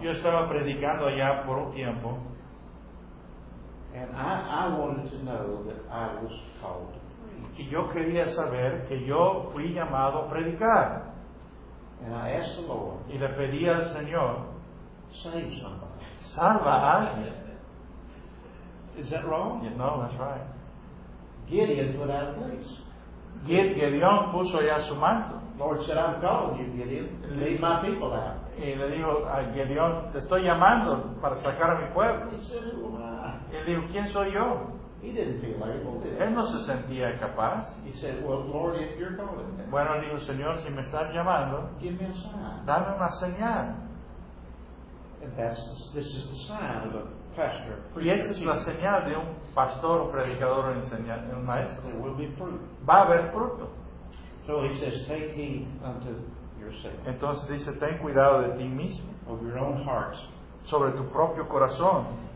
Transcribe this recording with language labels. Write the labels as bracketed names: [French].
[Spanish] Yo estaba predicando allá por un tiempo. [English] And I wanted to know that I was called. [Spanish] Y yo quería saber que yo fui llamado a predicar. [English] And I asked the Lord. [Spanish] Y le pedí al Señor. [English] Save somebody. [Spanish] Salva a alguien. [English] Is that wrong? Yeah, no, that's right. Gideon put out a fleece. [Spanish] Gideon puso ya su manto. [English] Lord said, I'm calling you, Gideon. Lead my people out. [Spanish] Y le dijo a Gideon, te estoy llamando para sacar a mi pueblo. [English] He said, who am I? [Spanish] Y le dijo, ¿quién soy yo? [English] He didn't feel able, did he? [Spanish] Él no se sentía capaz. [English] He said, well, Lord, if you're calling, [Spanish] bueno, le dijo, Señor, si me estás llamando, [English] give me a sign. [Spanish] Dame una señal. [English] And this is the sign of a pastor. [Spanish] Y esa es la señal de un pastor o predicador o enseñante, un maestro. [English] There will be fruit. [Spanish] Va a haber fruto. [English] So he says, take heed unto yourself. [Spanish] Entonces dice, ten cuidado de ti mismo. [English] Of your own hearts. [Spanish] Sobre tu propio corazón.